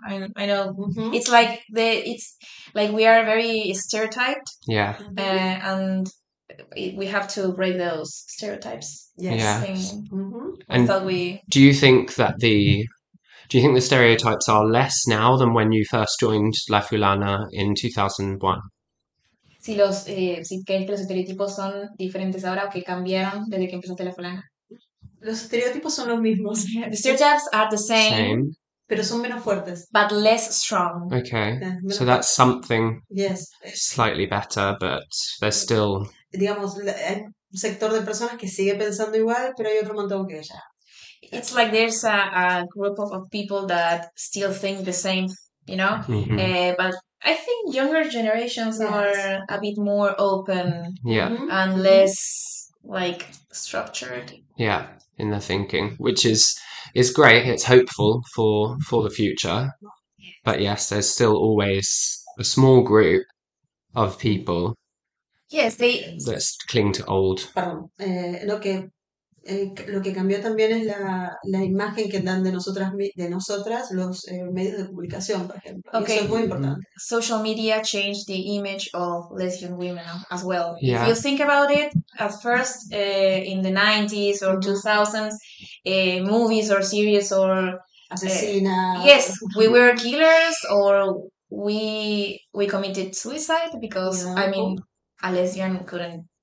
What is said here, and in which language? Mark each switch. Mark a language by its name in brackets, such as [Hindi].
[English] I know. Mm-hmm. It's like we are very stereotyped. Yeah. And we have to break those stereotypes. Yes. Yeah. Mm-hmm. And do you think the stereotypes are less now than when you first joined La Fulana in 2001? [Spanish] Si los si crees que los estereotipos son diferentes ahora o que cambiaron desde que empezaste La Fulana. Los estereotipos son los mismos. [English] The stereotypes are the same. [Spanish] Pero son menos fuertes. [English] But less strong. Okay. So that's something. Yes. Slightly better, but there's still. [Spanish] Digamos, hay un sector de personas que sigue pensando igual, pero hay otro montón que ya. [English] It's like there's a group of people that still think the same, you know? Mm-hmm. But I think younger generations are a bit more open. Yeah. And less, like, structured. Yeah, in their thinking, which is great. It's hopeful for the future. But yes, there's still always a small group of people. Yes, they... That cling to old. Pardon. Okay. [Spanish] Lo que cambió también es la imagen que dan de nosotras los medios de comunicación, por ejemplo. [English] Okay. [Spanish] Y eso es muy importante. [English] Social media changed the image of lesbian women as well. Yeah. If you think about it, at first, in the 90s or 2000s, movies or series or... [Spanish] Asesina. [English] Yes, we were killers or we committed suicide because, yeah. I mean, a lesbian couldn't...